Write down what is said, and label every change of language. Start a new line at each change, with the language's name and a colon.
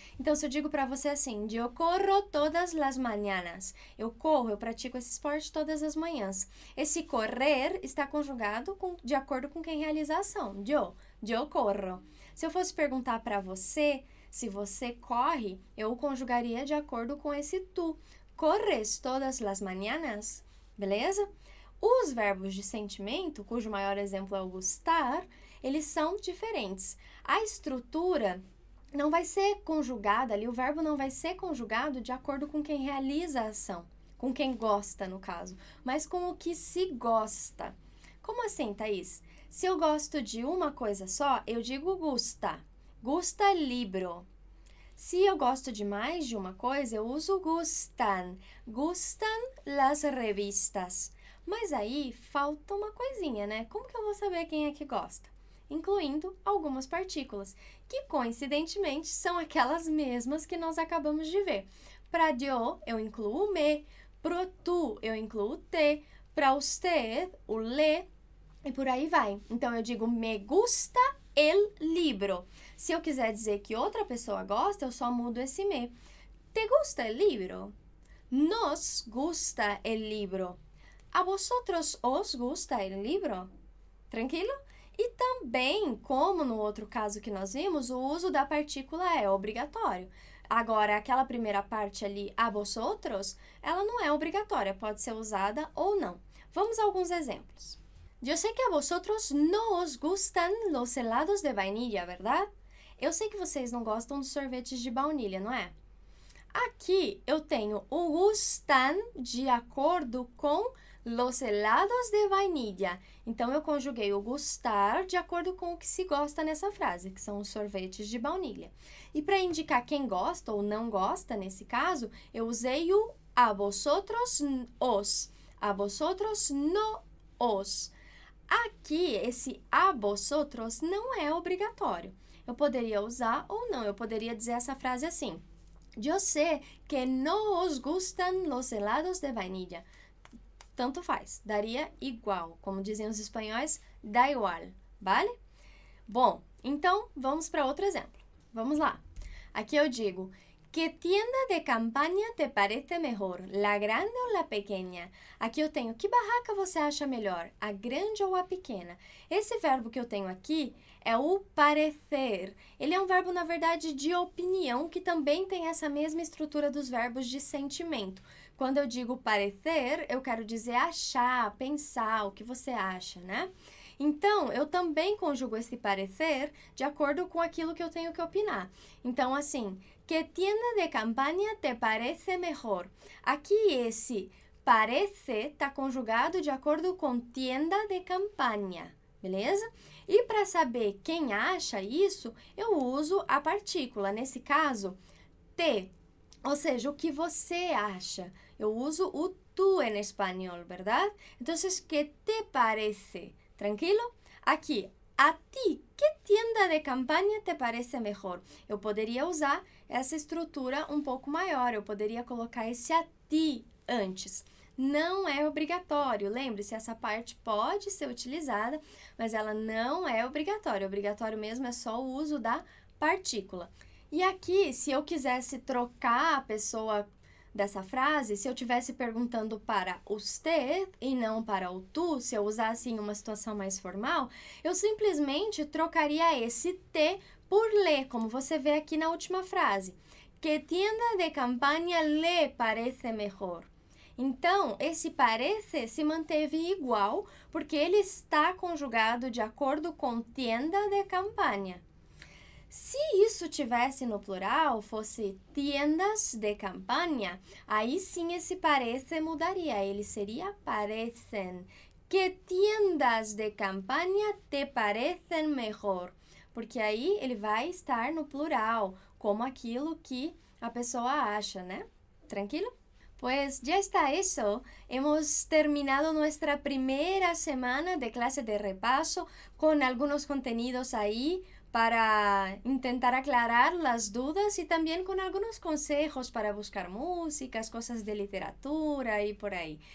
Portuguese: Então, se eu digo para você assim,
Spanish: yo corro todas las mañanas.
Portuguese: Eu corro, eu pratico esse esporte todas as manhãs. Esse correr está conjugado de acordo com quem realiza a ação.
Spanish: Yo corro.
Portuguese: Se eu fosse perguntar para você se você corre, eu o conjugaria de acordo com esse tu.
Spanish: Corres todas las mañanas, beleza?
Portuguese: Os verbos de sentimento, cujo maior exemplo é o gustar, eles são diferentes. A estrutura não vai ser conjugada ali, o verbo não vai ser conjugado de acordo com quem realiza a ação, com quem gosta, no caso, mas com o que se gosta. Como assim, Thaís? Se eu gosto de uma coisa só, eu digo gusta.
Spanish: Gusta libro.
Portuguese: Se eu gosto de mais de uma coisa, eu uso gustan.
Spanish: Gustan las revistas.
Portuguese: Mas aí falta uma coisinha, né? Como que eu vou saber quem é que gosta? Incluindo algumas partículas, que coincidentemente são aquelas mesmas que nós acabamos de ver. Para yo, eu incluo o me. Pro tu, eu incluo o te. Para usted, o le. E por aí vai. Então, eu digo
Spanish: me gusta el libro.
Portuguese: Se eu quiser dizer que outra pessoa gosta, eu só mudo esse me.
Spanish: Te gusta el libro? Nos gusta el libro. A vosotros os gusta el libro?
Portuguese: Tranquilo? E também, como no outro caso que nós vimos, o uso da partícula é obrigatório. Agora, aquela primeira parte ali, a vosotros, ela não é obrigatória, pode ser usada ou não. Vamos a alguns exemplos.
Spanish: Yo sé que a vosotros no os gustan los helados de vainilla, ¿verdad?
Portuguese: Eu sei que vocês não gostam dos sorvetes de baunilha, não é? Aqui eu tenho o gustan de acordo com
Spanish: los helados de vainilla.
Portuguese: Então, eu conjuguei o gustar de acordo com o que se gosta nessa frase, que são os sorvetes de baunilha. E para indicar quem gosta ou não gosta, nesse caso, eu usei o
Spanish: a vosotros os. A vosotros no os.
Portuguese: Aqui, esse a vosotros não é obrigatório. Eu poderia usar ou não. Eu poderia dizer essa frase assim.
Spanish: Yo sé que no os gustan los helados de vainilla.
Portuguese: Tanto faz, daria igual. Como dizem os espanhóis,
Spanish: da igual, vale?
Portuguese: Bom, então vamos para outro exemplo. Vamos lá.
Spanish: Aqui eu digo, que tienda de campaña te parece mejor, la grande ou la pequeña?
Portuguese: Aqui eu tenho, que barraca você acha melhor, a grande ou a pequena? Esse verbo que eu tenho aqui é o parecer. Ele é um verbo, na verdade, de opinião, que também tem essa mesma estrutura dos verbos de sentimento. Quando eu digo parecer, eu quero dizer achar, pensar, o que você acha, né? Então, eu também conjugo esse parecer de acordo com aquilo que eu tenho que opinar.
Spanish: Então, assim, que tienda de campaña te parece mejor?
Portuguese: Aqui, esse parece está conjugado de acordo com tienda de campaña, beleza? E para saber quem acha isso, eu uso a partícula, nesse caso, te. Ou seja, o que você acha. Eu uso o tu
Spanish: en español, ¿verdad? Entonces, ¿qué te parece? Tranquilo? Aquí, a ti, ¿qué tienda de campaña te parece mejor?
Portuguese: Eu poderia usar essa estrutura um pouco maior. Eu poderia colocar esse a ti antes. Não é obrigatório. Lembre-se, essa parte pode ser utilizada, mas ela não é obrigatória. Obrigatório mesmo é só o uso da partícula. E aqui, se eu quisesse trocar a pessoa dessa frase, se eu estivesse perguntando para usted e não para o tu, se eu usasse em uma situação mais formal, eu simplesmente trocaria esse te por le, como você vê aqui na última frase.
Spanish: Que tienda de campaña le parece mejor?
Portuguese: Então, esse parece se manteve igual, porque ele está conjugado de acordo com tienda de campaña. Se isso tivesse no plural, fosse
Spanish: tiendas de campaña,
Portuguese: aí sim esse parece mudaria, ele seria parecen.
Spanish: Que tiendas de campaña te parecen mejor?
Portuguese: Porque aí ele vai estar no plural, como aquilo que a pessoa acha, né?
Spanish: Tranquilo? Pues ya está eso. Hemos terminado nuestra primera semana de clase de repaso con algunos contenidos ahí para intentar aclarar las dudas y también con algunos consejos para buscar músicas, cosas de literatura y por ahí.